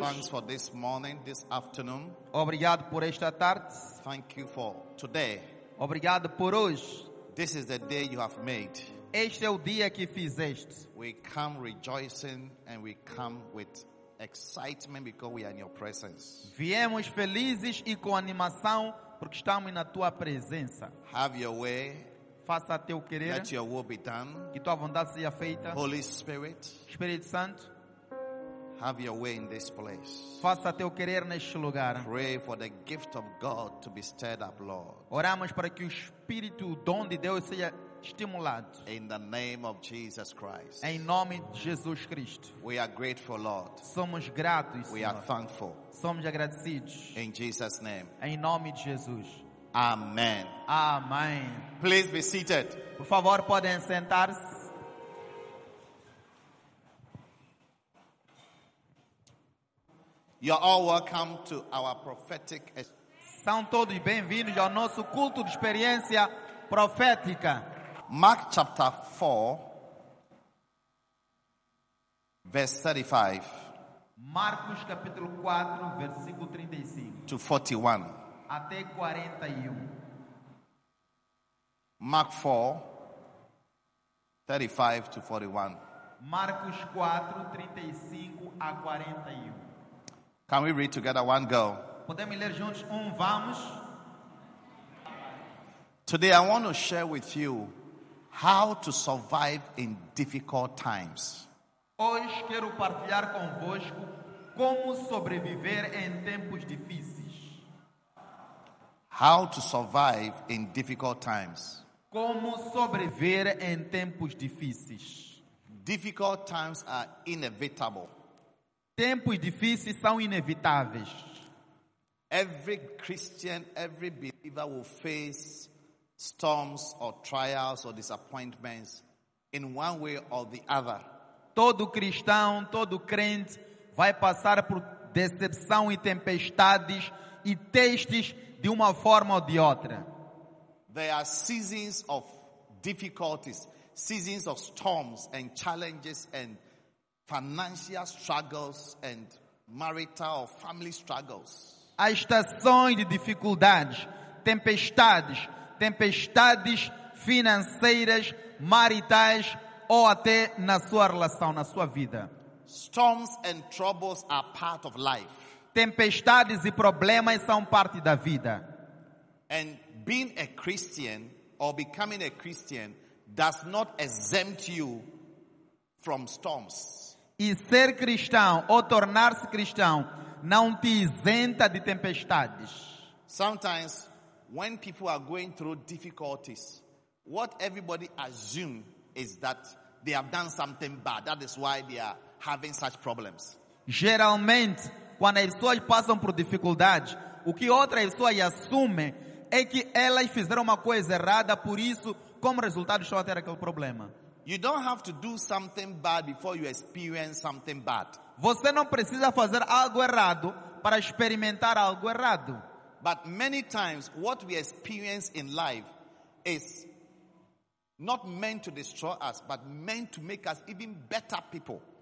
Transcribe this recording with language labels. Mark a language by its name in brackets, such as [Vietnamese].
[English] Thanks for this morning, this afternoon. [Portuguese] Obrigado por esta tarde. [English] Thank you for today. [Portuguese] Obrigado por hoje. [English] This is the day you have made. [Portuguese] Este é o dia que fizeste. [English] We come rejoicing and we come with excitement because we are in your presence. [Portuguese] Viemos felizes e com animação porque estamos na tua presença. [English] Have your way. [Portuguese] Faça teu querer. [English] Let your will be done. [Portuguese] Que tua vontade seja feita. [English] Holy Spirit. [Portuguese] Espírito Santo. [English] Have your way in this place. [Portuguese] Faça teu querer neste lugar. [English] Pray for the gift of God to be stirred up, Lord. [Portuguese] Oramos para que o espírito, o dom de Deus seja estimulado. [English] In the name of Jesus Christ. [Portuguese] Em nome de Jesus Cristo. [English] We are grateful, Lord. [Portuguese] Somos gratos, Senhor. [English] We are thankful. [Portuguese] Somos agradecidos. [English] In Jesus' name. [Portuguese] Em nome de Jesus. [English] Amen. [Portuguese] Amen. [English] Please be seated. [Portuguese] Por favor, podem sentar-se. [English] You are all welcome to our prophetic. [Portuguese] São todos bem-vindos ao nosso culto de experiência profética. [English] Mark chapter 4, verse 35. [Portuguese] Marcos capítulo 4, versículo 35. [English] To 41. [Portuguese] Até 41. [English] Mark 4, 35 to 41. [Portuguese] Marcos 4, 35 a 41. [English] Can we read together one go? [Portuguese] Podemos ler juntos um, vamos. [English] Today I want to share with you how to survive in difficult times. [Portuguese] Hoje quero partilhar convosco como sobreviver em tempos difíceis. [English] How to survive in difficult times. [Portuguese] Como sobreviver em tempos difíceis. [English] Difficult times are inevitable. [Portuguese] Tempos difíceis são inevitáveis. [English] Every Christian, every believer will face storms or trials or disappointments in one way or the other. [Portuguese] Todo cristão, todo crente vai passar por decepção e tempestades e testes de uma forma ou de outra. [English] There are seasons of difficulties, seasons of storms and challenges and financial struggles and marital or family struggles. [Portuguese] Há estações de dificuldades, tempestades, tempestades financeiras, maritais ou até na sua relação, na sua vida. [English] Storms and troubles are part of life. [Portuguese] Tempestades e problemas são parte da vida. [English] And being a Christian or becoming a Christian does not exempt you from storms. [Portuguese] E ser cristão ou tornar-se cristão não te isenta de tempestades. [English] Sometimes when people are going through difficulties, what everybody assumes is that they have done something bad. That is why they are having such problems. [Portuguese] Geralmente, quando as pessoas passam por dificuldades, o que outras pessoas assumem é que elas fizeram uma coisa errada, por isso, como resultado, estão a ter aquele problema. [English] You don't have to do something bad before you experience something bad. [Portuguese] Você não precisa fazer algo errado para experimentar algo errado. [English] But many times, what we experience in life is not meant to destroy us, but meant to make us even better people.